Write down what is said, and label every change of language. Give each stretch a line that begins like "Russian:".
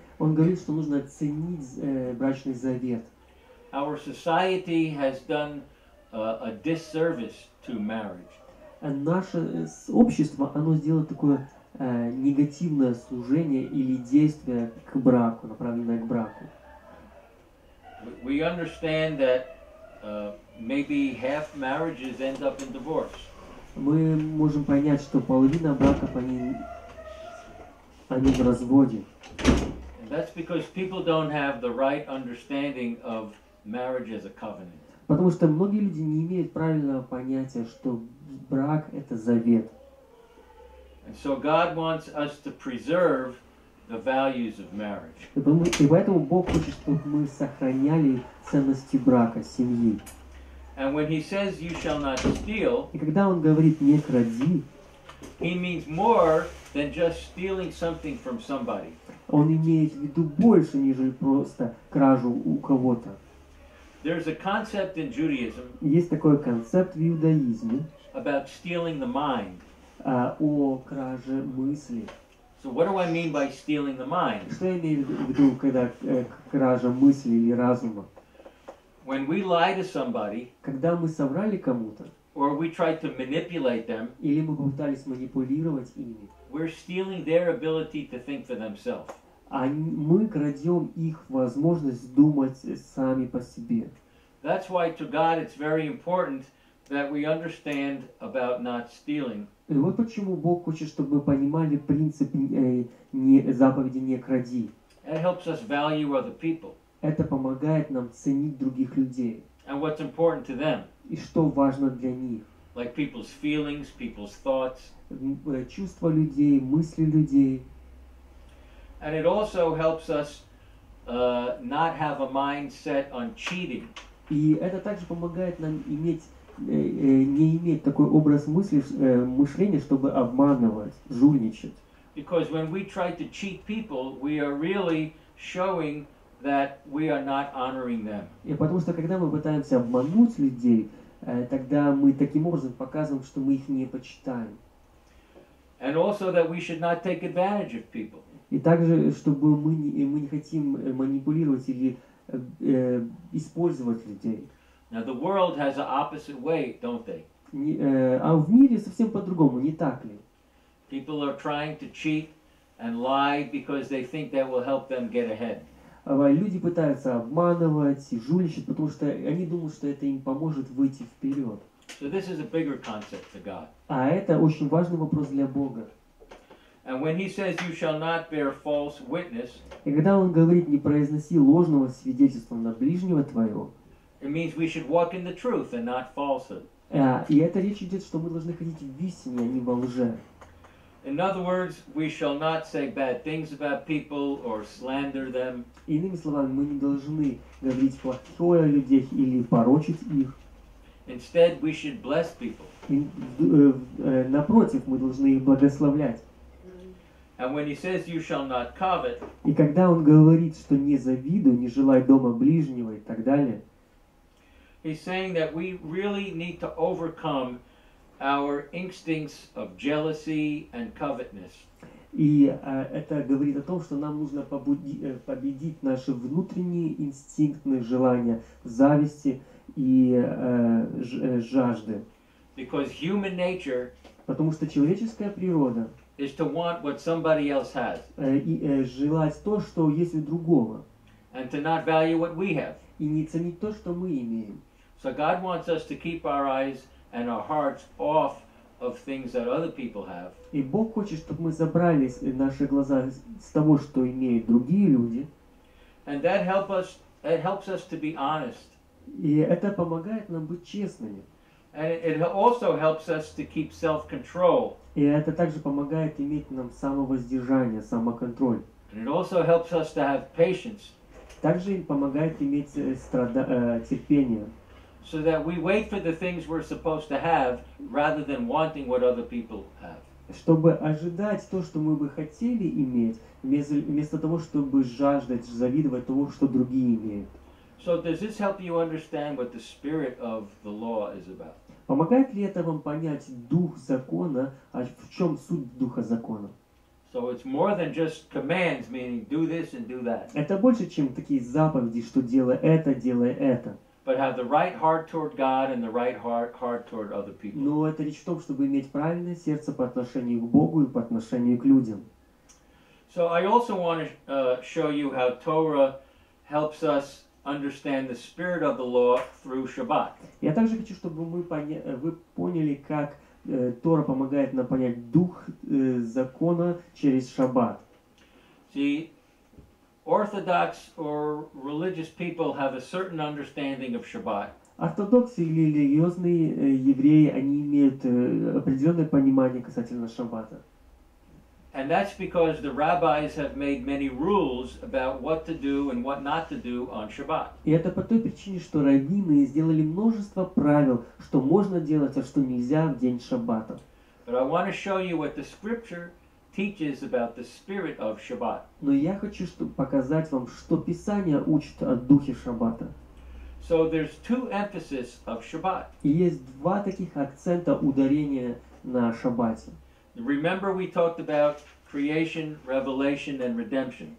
Russian: Он говорит, что нужно ценить брачный завет.
English: Our society has done a disservice to marriage.
Russian: Наше общество оно сделало такое негативное служение или действие к браку, направленное к браку.
English: We understand that. Maybe half marriages end up in divorce.
Russian: Мы можем понять, что половина браков они в разводе.
English: And that's because people don't have the right understanding of marriage as a covenant.
Russian: Потому что многие люди не имеют правильного понятия, что брак это завет.
English: And so God wants us to preserve the values of marriage.
Russian: И поэтому Бог хочет, чтобы мы сохраняли ценности брака, семьи.
English: And when he says you shall not steal,
Russian: и когда он говорит не кради,
English: he means more than just stealing something from somebody.
Russian: Он имеет в виду больше, нежели просто кражу у кого-то.
English: There's a concept in Judaism.
Russian: Есть такой концепт в иудаизме.
English: About stealing the mind.
Russian: О краже мысли.
English: So what do I mean by stealing the mind?
Russian: Что я имею в виду, когда кража мысли или разума?
English: When we lie to somebody,
Russian: когда мы соврали кому-то,
English: or we try to manipulate them,
Russian: или мы пытались манипулировать ими,
English: we're stealing their ability to think for themselves.
Russian: Мы крадем их возможность думать сами по себе.
English: That's why to God it's very important that we understand about not stealing.
Russian: И вот почему Бог хочет, чтобы мы понимали принцип заповеди не кради.
English: It helps us value other people.
Russian: Это помогает нам ценить других людей.
English: And what's important to them.
Russian: И что важно для них.
English: Like people's feelings, people's thoughts.
Russian: Чувства людей, мысли людей.
English: And it also helps us not have a mindset on cheating.
Russian: И это также помогает нам иметь, не иметь такой образ мысли, мышления, чтобы обманывать, жульничать.
English: Because when we try to cheat people, we are really showing that we are not honoring them.
Russian: И потому что когда мы пытаемся обмануть людей, тогда мы таким образом показываем, что мы их не почитаем.
English: And also that we should not take advantage of people.
Russian: И также, чтобы мы не хотим манипулировать или использовать людей.
English: Now the world has an opposite way, don't they?
Russian: А в мире совсем по-другому, не так ли?
English: People are trying to cheat and lie because they think that will help them get ahead.
Russian: Люди пытаются обманывать и жульничать, потому что они думают, что это им поможет выйти вперед.
English: So this is a bigger concept to God.
Russian: А это очень важный вопрос для Бога.
English: And when he says you shall not bear false witness,
Russian: и когда он говорит, не произноси ложного свидетельства на ближнего твоего,
English: it means we should walk in the truth and not falsehood.
Russian: И это речь идет, что мы должны ходить в истине, а не во лже.
English: In other words, we shall not say bad things about people or slander them.
Russian: Иными словами, мы не должны говорить плохое о людях или порочить их.
English: Instead, we should bless people.
Russian: Напротив, мы должны их благословлять.
English: And when he says you shall not covet,
Russian: и когда он говорит, что не завидуй, не желай дома ближнего и так далее,
English: he's saying that we really need to overcome our instincts of jealousy and covetousness.
Russian: И это говорит о том, что нам нужно победить наши внутренние инстинктные желания зависти и жажды.
English: Because human nature,
Russian: потому что человеческая природа,
English: is to want what somebody else has.
Russian: Желать то, что есть у другого.
English: And to not value what we have.
Russian: И не ценить то, что мы имеем.
English: So God wants us to keep our eyes and our hearts off of things that other people have.
Russian: И Бог хочет, чтобы мы забрали наши глаза с того, что имеют другие люди.
English: And that helps us to be honest.
Russian: И это помогает нам быть честными.
English: And it also helps us to keep self-control.
Russian: И это также помогает иметь нам самовоздержание, самоконтроль.
English: And it also helps us to have patience.
Russian: Также помогает иметь терпение.
English: So that we wait for the things we're supposed to have, rather than wanting what other people have.
Russian: Чтобы ожидать то, что мы бы хотели иметь, вместо того, чтобы жаждать, завидовать того, что другие имеют.
English: So does this help you understand what the spirit of the law is about?
Russian: Помогает ли это вам понять дух закона, а в чем суть духа закона?
English: So it's more than just commands, meaning do this and do that.
Russian: Это больше, чем такие заповеди, что делай это.
English: But have the right heart toward God and the right heart toward other people.
Russian: Но это речь в том, чтобы иметь правильное сердце по отношению к Богу и по отношению к людям.
English: So I also want to show you how Torah helps us understand the spirit of the law through Shabbat.
Russian: Я также хочу, чтобы вы поняли, как Тора помогает нам понять дух закона через Шаббат.
English: See, Orthodox or religious people have a certain understanding of Shabbat.
Russian: Ортодоксы или религиозные евреи, они имеют определенное понимание касательно Шаббата.
English: And that's because the rabbis have made many rules about what to do and what not to do on Shabbat.
Russian: И это по той причине, что раввины сделали множество правил, что можно делать, а что нельзя в день Шаббата.
English: But I want to show you what the scripture teaches about the spirit of Shabbat.
Russian: Но я хочу, чтобы показать вам, что Писание учит о духе Шаббата.
English: So there's two emphases of Shabbat.
Russian: И есть два таких акцента ударения на Шаббате.
English: Remember we talked about creation, revelation, and redemption.